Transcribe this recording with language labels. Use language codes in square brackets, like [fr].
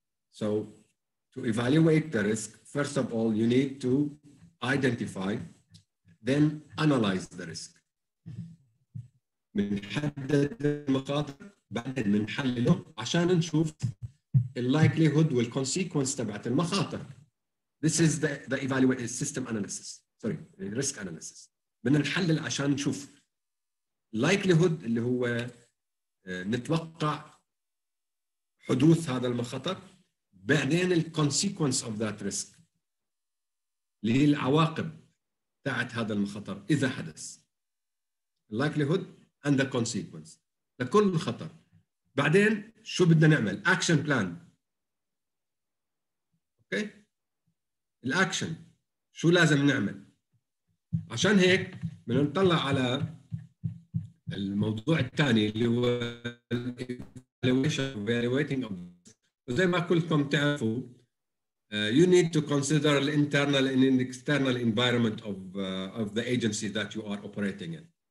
[en] So to evaluate the risk, first of all, you need to identify, then analyze the risk. [ar] بنحدد المخاطر، بعدين بنحلله عشان نشوف الـ likelihood والـ consequence تبعت المخاطر. [en] This is the evaluate system analysis. Sorry, risk analysis. [ar] بدنا نحلل عشان نشوف likelihood اللي هو نتوقع حدوث هذا المخاطر، بعدين الـ [en] consequence of that risk [ar] اللي هي العواقب تاعت هذا المخاطر إذا حدث. [en] likelihood and the consequence [ar] لكل خطر. بعدين شو بدنا نعمل؟ action plan. اوكي؟ الـ action شو لازم نعمل؟ عشان هيك بدنا نطلع على الموضوع الثاني اللي هو [en] evaluating of risk. [ar] زي ما كلكم تعرفوا [en] you need to consider the internal and external environment of the agency that you are operating in.